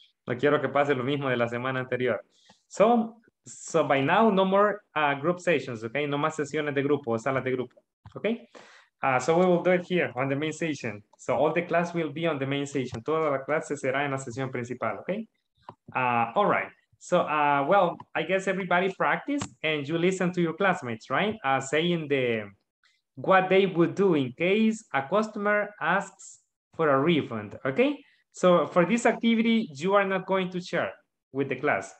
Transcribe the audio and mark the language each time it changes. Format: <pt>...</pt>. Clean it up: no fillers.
<es>No quiero que pase lo mismo de la semana anterior.</es> <en>So by now, no more group sessions, okay?</en> <es>No más sesiones de grupo, salas de grupo, okay?</es> <en>So we will do it here on the main session. So all the class will be on the main session.</en> <es>Toda la clase será en la sesión principal, okay?</es> <en>All right. So, well, I guess everybody practiced and you listen to your classmates, right? Saying the... what they would do in case a customer asks for a refund, okay? So for this activity, you are not going to share with the class.</en>